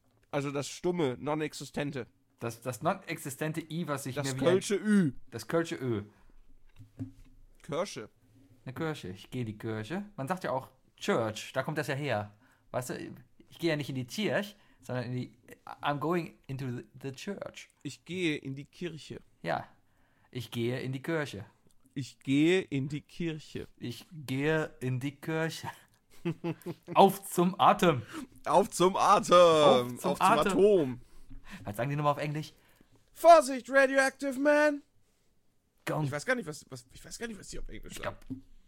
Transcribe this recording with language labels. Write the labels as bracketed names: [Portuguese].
[German] Also das stumme, non-existente. Das non-existente I, was ich das mir... Das kölsche Ü. Das kölsche Ö. Kirsche. Eine Kirsche. Ich gehe in die Kirche. Man sagt ja auch Church. Da kommt das ja her. Weißt du, ich gehe ja nicht in die Kirche. Sondern in die, [English] I'm going into the church. [German] Ich gehe in die Kirche. Ja, ich gehe in die Kirche. Ich gehe in die Kirche. Ich gehe in die Kirche. Auf zum Atem. Auf zum Atem. Auf zum Atom. Was sagen die nochmal auf Englisch? Vorsicht, Radioactive Man. Ich weiß gar nicht, was die auf Englisch sagen.